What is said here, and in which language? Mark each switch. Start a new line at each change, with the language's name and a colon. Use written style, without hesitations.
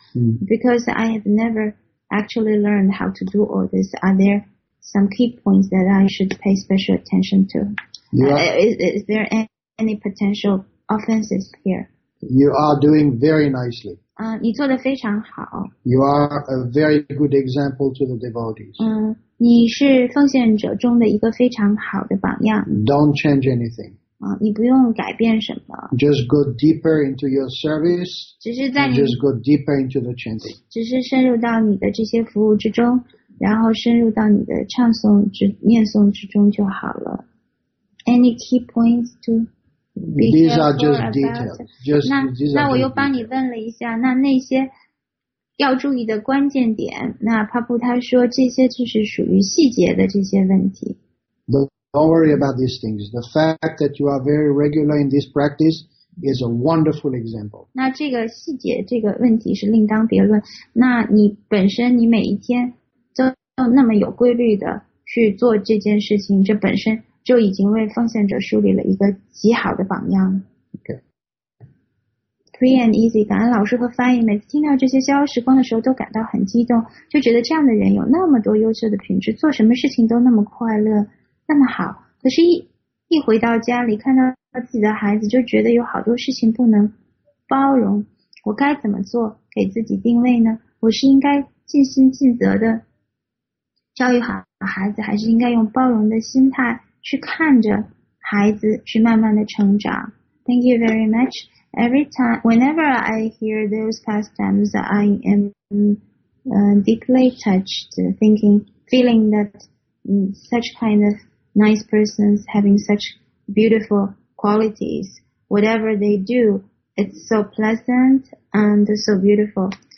English: Because I have never actually learned how to do all this, are there some key points that I should pay special attention to? Is there any potential offenses here? You are doing very nicely.
Chinese: 你做得非常好。
English: You are a very good example to the devotees.
Chinese: 你是奉献者中的一个非常好的榜样。
English: Don't change anything.
Chinese: 你不用改变什么。
English: Just go deeper into your service.
Chinese: 只是在你。
English: Just go deeper into the chanting.
Chinese: 只是深入到你的这些服务之中，然后深入到你的唱诵之念诵之中就好了。
English: Any key points to be careful about? These are just details. Just
Chinese: 那我又帮你问了一下，那些。要注意的关键点，那帕布他说这些就是属于细节的这些问题。
English: Don't worry about these things. The fact that you are very regular in this practice is a wonderful example.
Chinese: 那这个细节这个问题是另当别论。那你本身你每一天都那么有规律的去做这件事情，这本身就已经为奉献者树立了一个极好的榜样。
English: Free and easy,
Chinese: 感恩老师和翻译，每次听到这些逍遥时光的时候都感到很激动，就觉得这样的人有那么多优秀的品质，做什么事情都那么快乐，那么好。可是一回到家里看到自己的孩子，就觉得有好多事情不能包容。我该怎么做给自己定位呢？我是应该尽心尽责的教育好孩子，还是应该用包容的心态去看着孩子去慢慢的成长？
English: Thank you very much. Every time, whenever I hear those pastimes, I am deeply touched, feeling that such kind of nice persons having such beautiful qualities, whatever they do, it's so pleasant and so beautiful.